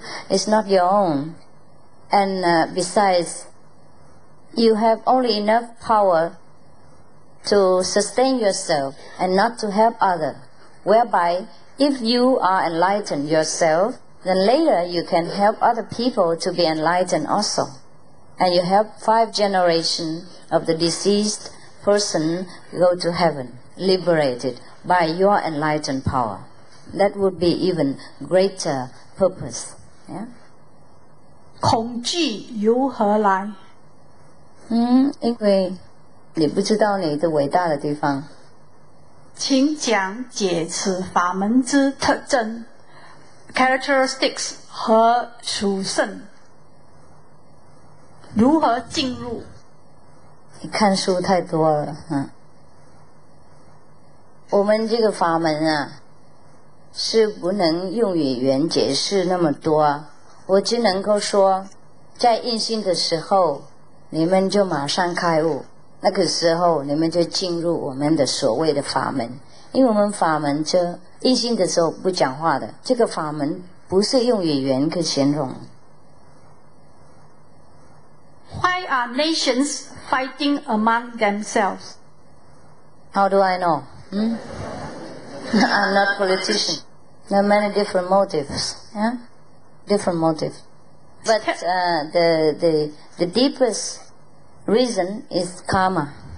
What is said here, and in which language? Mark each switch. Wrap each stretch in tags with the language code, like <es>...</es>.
<en>It's not your own. And besides, you have only enough power to sustain yourself and not to help others, whereby if you are enlightened yourself, then later you can help other people to be enlightened also. And you help 5 generations of the deceased person go to heaven, liberated by your enlightened power. That would be even greater purpose. Yeah?</en> <zh>恐惧由何来？因为你不知道你的伟大的地方。请讲解此法门之特征 characteristics 和属性。如何进入？你看书太多了，嗯。我们这个法门啊，是不能用语言解释那么多，我只能够说，在印心的时候，你们就马上开悟，那个时候你们就进入我们的所谓的法门。因为我们法门就印心的时候不讲话的，这个法门不是用语言去形容。</zh> <en>Why are nations fighting among themselves? How do I know? I'm not a politician. There are many different motives. Different motives. But the deepest reason is karma.</en>